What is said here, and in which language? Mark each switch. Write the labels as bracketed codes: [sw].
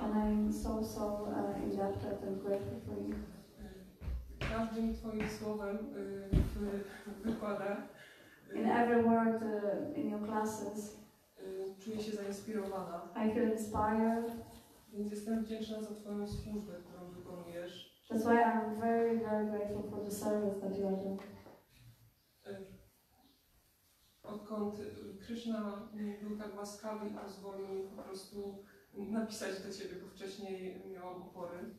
[en] And I'm so indebted and grateful for you. [pl] Każdym twoim słowem w wykładach. [en] In every word in your classes. [pl] Czuję się zainspirowana. [en] I feel inspired. [pl] Więc jestem wdzięczna za twoją służbę, którą wykonujesz. [en] That's why I'm very, very grateful for the service that you are doing. [pl] Odkąd Krishna był tak łaskawy i pozwolił mi po prostu napisać do ciebie, bo wcześniej miałam opory.